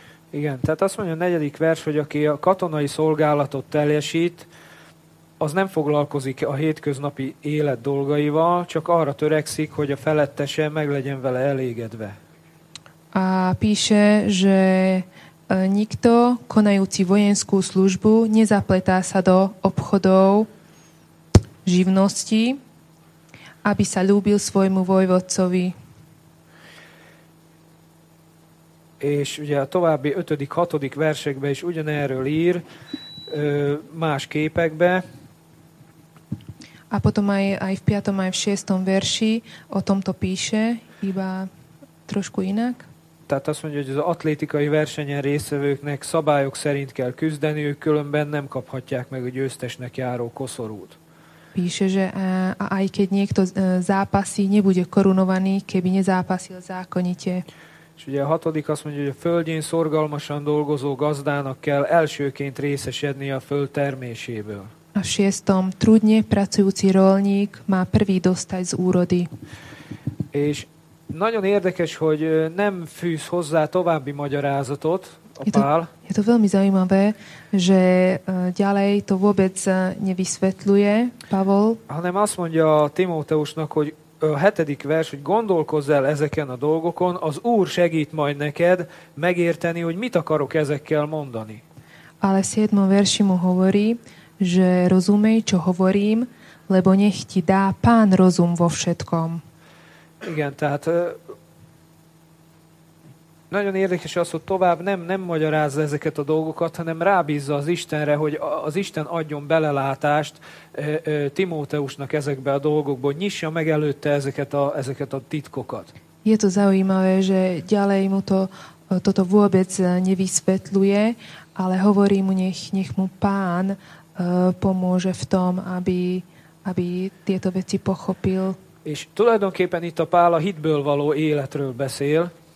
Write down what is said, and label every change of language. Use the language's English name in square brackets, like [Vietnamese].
[Hungarian] Igen, tehát azt mondja a negyedik vers, hogy aki a katonai szolgálatot teljesít, az nem foglalkozik a hétköznapi élet dolgaival, csak arra törekszik, hogy a felettese meg legyen vele elégedve. [Slovak] A píše, že nikto konajúci vojenskú službu nezapletá sa do obchodov živnosti, aby sa ľúbil svojmu vojvodcovi. [Hungarian] És ugye a további 5.-6. versekben is ugyanerről ír más képekbe. [Slovak] A potom aj v 5. aj v 6. verši o tomto píše, iba trošku inak. [Hungarian] Tehát azt mondja, hogy az atlétikai versenyen résztvevőknek szabályok szerint kell küzdeniük, különben nem kaphatják meg a győztesnek járó koszorút. [Slovak] Píše, že aj keď niekto zápasí, nebude korunovaný, keby nezápasil zákonite. [Hungarian] És ugye a 6. azt mondja, hogy a földjén szorgalmasan dolgozó gazdának kell elsőként részesednie a föld terméséből. [Slovak] A 6. trudne pracujúci rolník má prvý dostať z úrody. [Hungarian] És nagyon érdekes, hogy nem fűz hozzá további magyarázatot a Pál. [Slovak] Je to veľmi zaujímavé, že ďalej to vôbec nevysvetľuje Pavol. [Hungarian] Hanem azt mondja Timóteusnak, hogy a 7. vers, hogy gondolkozz el ezeken a dolgokon, az Úr segít majd neked megérteni, hogy mit akarok ezekkel mondani. [Slovak] Ale 7. verši mu hovorí, že rozumej, čo hovorím, lebo nech ti dá Pán rozum vo všetkom. [Hungarian] Igen, tehát nagyon érdekes az, hogy tovább nem magyarázza ezeket a dolgokat, hanem rábízza az Istenre, hogy az Isten adjon belelátást Timóteusnak ezekbe a dolgokba, nyissa meg előtte ezeket a titkokat. [Slovak] Je to zaujímavé, že ďalej mu toto vôbec nevysvetľuje, ale hovorí mu, nech mu Pán pomôže v tom, aby tieto veci pochopil. [Hungarian] És tulajdonképpen itt a Pál a hitből való életről beszél.